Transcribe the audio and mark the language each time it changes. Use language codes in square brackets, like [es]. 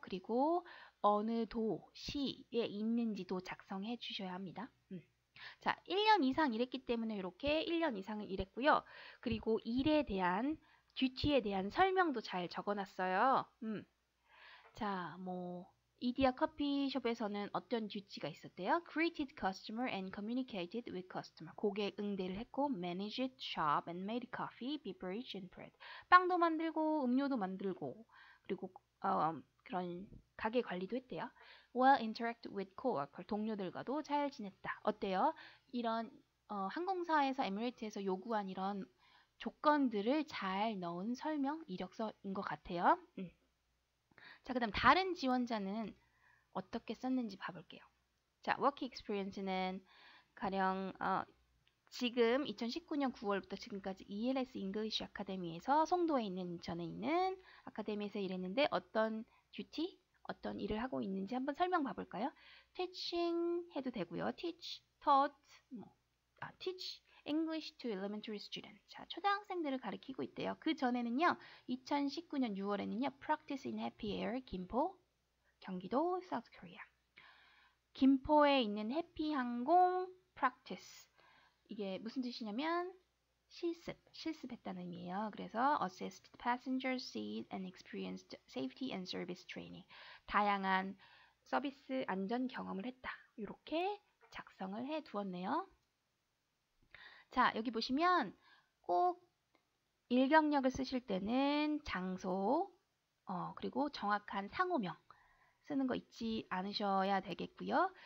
[ko] 그리고 어느 도시에 있는지도 작성해 주셔야 합니다. 자, 1년 이상 일했기 때문에 이렇게 1년 이상을 일했고요. 그리고 일에 대한 듀티에 대한 설명도 잘 적어놨어요. 자, 뭐 이디야 커피숍에서는 어떤 듀티가 있었대요? [en] Greeted customer and communicated with customer. [ko] 고객 응대를 했고, [en] managed shop and made coffee, beverage and bread. [ko] 빵도 만들고, 음료도 만들고, 그리고 그런 가게 관리도 했대요. [en] Well, interact with co-worker. [ko] 동료들과도 잘 지냈다. 어때요? 이런 항공사에서, 에미레이트에서 요구한 이런 조건들을 잘 넣은 설명, 이력서인 것 같아요. 자, 그다음 다른 지원자는 어떻게 썼는지 봐볼게요. 자, work experience는 가령 지금 2019년 9월부터 지금까지 ELS English Academy에서 송도에 있는 인천에 있는 아카데미에서 일했는데 어떤 듀티, 어떤 일을 하고 있는지 한번 설명 봐볼까요? Teaching 해도 되고요. [en] Teach, taught, teach English to elementary students. [ko] 자, 초등학생들을 가르치고 있대요. 그 전에는요, 2019년 6월에는요, Practice in Happy Air, 김포, 경기도, South Korea. 김포에 있는 해피 항공 Practice. 이게 무슨 뜻이냐면 실습했다는 의미예요. [en] 그래서 Assist passenger seat and experienced safety and service training. [ko] 다양한 서비스 안전 경험을 했다. 이렇게 작성을 해 두었네요. 자, 여기 보시면 꼭 일경력을 쓰실 때는 장소, 그리고 정확한 상호명 쓰는 거 잊지 않으셔야 되겠고요.